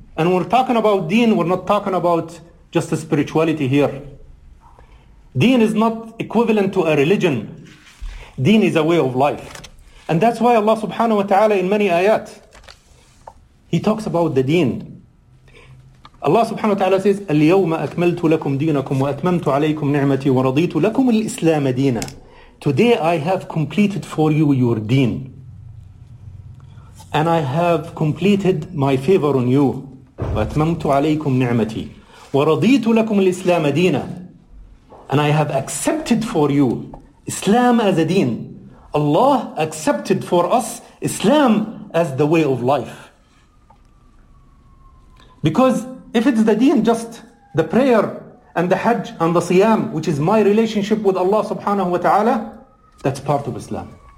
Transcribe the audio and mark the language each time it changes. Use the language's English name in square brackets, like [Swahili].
[English] And we're talking about deen, we're not talking about just a spirituality here. Deen is not equivalent to a religion. Deen is a way of life. And that's why Allah subhanahu wa ta'ala in many ayat, He talks about the deen. Allah subhanahu wa ta'ala says, [Arabic] اليوم أكملت لكم دينكم وأتممت عليكم نعمتي ورضيت لكم الإسلام دينا. [English] Today I have completed for you your deen. And I have completed my favor on you. [Arabic] وأتممت عليكم نعمتي ورضيت لكم الإسلام دينا. [English] And I have accepted for you Islam as a deen. Allah accepted for us Islam as the way of life. Because if it's the deen, just the prayer and the hajj and the siyam, which is my relationship with Allah subhanahu wa ta'ala, that's part of Islam.